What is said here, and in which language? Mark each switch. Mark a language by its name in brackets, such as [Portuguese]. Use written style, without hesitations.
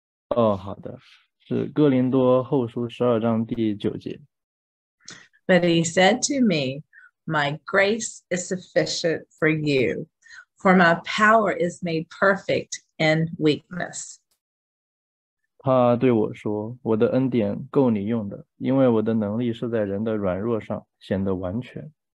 [Chinese] 哦，好的，是哥林多后书十二章第九节。 [English] But he said to me, my grace is sufficient for you, for my power is made perfect in weakness. [Chinese] 他对我说，我的恩典够你用的，因为我的能力是在人的软弱上显得完全。